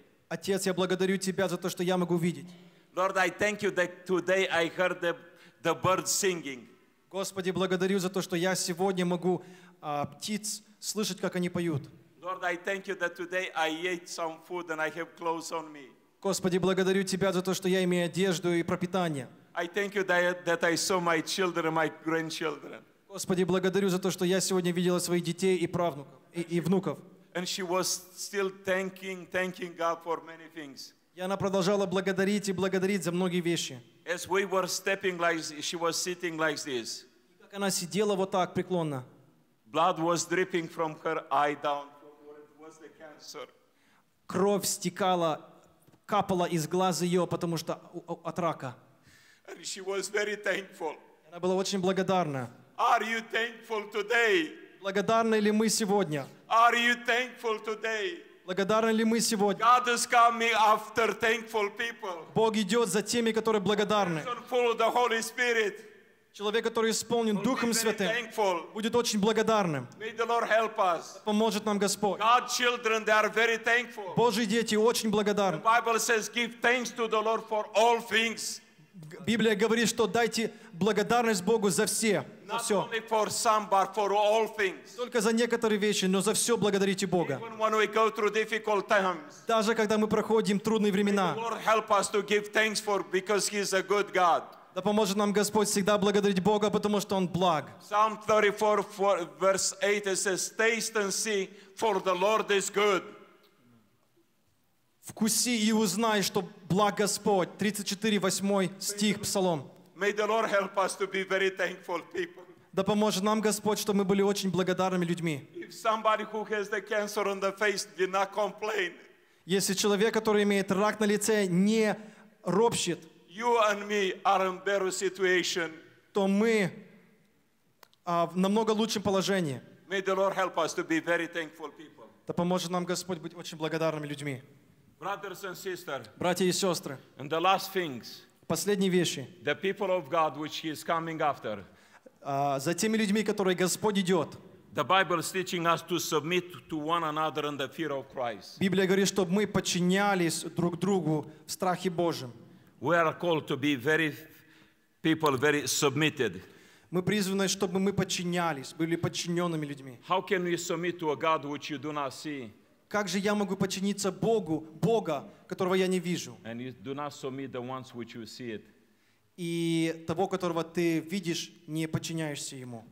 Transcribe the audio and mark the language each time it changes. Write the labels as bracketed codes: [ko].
[ru] Отец, я благодарю тебя за то, что я могу видеть. [en] Lord, I thank you that today I heard the birds singing. [ru] Господи, благодарю за то, что я сегодня могу птиц слышать, как они поют. [en] Lord, I thank you that today I ate some food and I have clothes on me. [ru] Господи, благодарю тебя за то, что я имею одежду и пропитание. [en] I thank you that I saw my children and my grandchildren. [ru] Господи, благодарю за то, что я сегодня видела своих детей и правнуков и внуков. [en] And she was still thanking God for many things. [ru] И она продолжала благодарить и благодарить за многие вещи. [en] As we were stepping like this, she was sitting like this. [ru] Как она сидела вот так преклонно. [en] Blood was dripping from her eye down. It was the cancer. [ru] Кровь стекала, капала из глаз ее, потому что от рака. [en] And she was very thankful. [ru] Она была очень благодарна. [en] Are you thankful today? [ru] Благодарны ли мы сегодня? [en] Are you thankful today? [ru] Благодарны ли мы сегодня? [en] God is coming after thankful people. [ru] Бог идет за теми, которые благодарны. [en] Full of the Holy Spirit. [ru] Человек, который исполнен Духом Святым, [en] thankful. [ru] Будет очень благодарным. [en] May the Lord help us. [ru] Поможет нам Господь. [en] God's children, they are very thankful. [ru] Божьи дети очень благодарны. [en] The Bible says, give thanks to the Lord for all things. [ru] Библия говорит, что дайте благодарность Богу за все. [en] Not only for some, but for all things. [ru] Только за некоторые вещи, но за все благодарите Бога. [en] Even when we go through difficult times. [ru] Даже когда мы проходим трудные времена. [en] May the Lord help us to give thanks for because He is a good God. [ru] Да поможет нам Господь всегда благодарить Бога, потому что Он благ. [en] Psalm 34, verse 8, it says, "Taste and see, for the Lord is good." [ru] Вкуси и узнай, что благ Господь. 34:8 стих Псалом. [en] May the Lord help us to be very thankful people. [ru] Да поможет нам Господь, чтобы мы были очень благодарными людьми. [en] If somebody who has the cancer on the face did not complain. [ru] Если человек, который имеет рак на лице, не ропщет. [en] You and me are in better situation. [ru] То мы в намного лучшем положении. [en] May the Lord help us to be very thankful people. [ru] Да поможет нам Господь быть очень благодарными людьми. [en] Brothers and sisters. [ru] Братья и сестры. [en] And the last things. [ru] Последние вещи. [en] The people of God, which He is coming after. [ru] За теми людьми, которые Господь идет. [en] The Bible is teaching us to submit to one another in the fear of Christ. [ru] Библия говорит, чтобы мы подчинялись друг другу в страхе Божьем. [en] We are called to be very people, very submitted. [ru] Мы призваны, чтобы мы подчинялись, были подчиненными людьми. [en] How can we submit to a God which you do not see? [ru] Как же я могу подчиниться Богу, Бога, которого я не вижу? [en] And you do not submit the ones which you see it. [ru] И того, которого ты видишь, не подчиняешься ему.